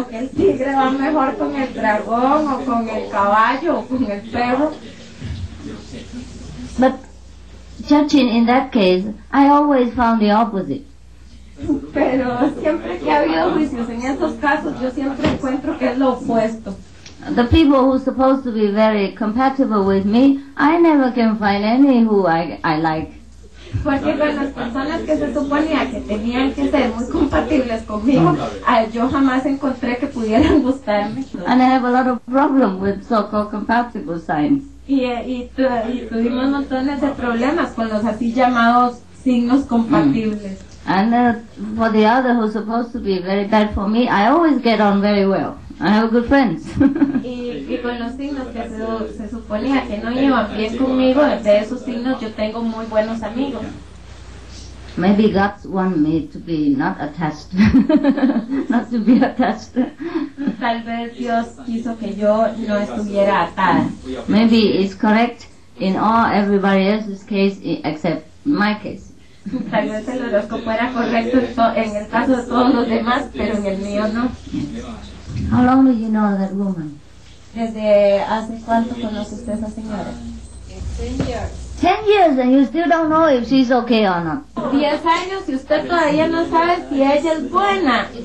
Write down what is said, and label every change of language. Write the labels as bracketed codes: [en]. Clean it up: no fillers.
[es] O que el tigre va mejor con el dragón, o con el caballo, o con el perro. [en] But judging in that case, I always found the opposite. [es] Pero siempre que ha habido juicios en estos casos, yo siempre encuentro que es lo opuesto. [en] The people who are supposed to be very compatible with me, I never can find any who I like. [es] Porque con las personas que se suponía que tenían que ser muy compatibles conmigo, yo jamás encontré que pudieran gustarme. [en] And I have a lot of problem with so-called compatible signs. [es] Y tuvimos montones de problemas con los así llamados signos compatibles. Mm. [en] And for the other who's supposed to be very bad for me, I always get on very well. I have good friends. [es] Y con los signos que se suponía que no iban bien conmigo, de esos signos yo tengo muy buenos amigos. [en] Maybe God wants me to be not attached. Not to be attached. [es] Tal vez Dios quiso que yo no estuviera atada. [en] Maybe it's correct in all everybody else's case except my case. [es] Tal vez el horóscopo era correcto en el caso de todos los demás, pero en el mío no. [en] Yes. How long do you know that woman? [es] ¿Desde hace cuánto conoce usted a esa señora? [en] 10 years. 10 years and you still don't know if she's okay or not. [es] 10 años y usted todavía no sabe si ella es buena.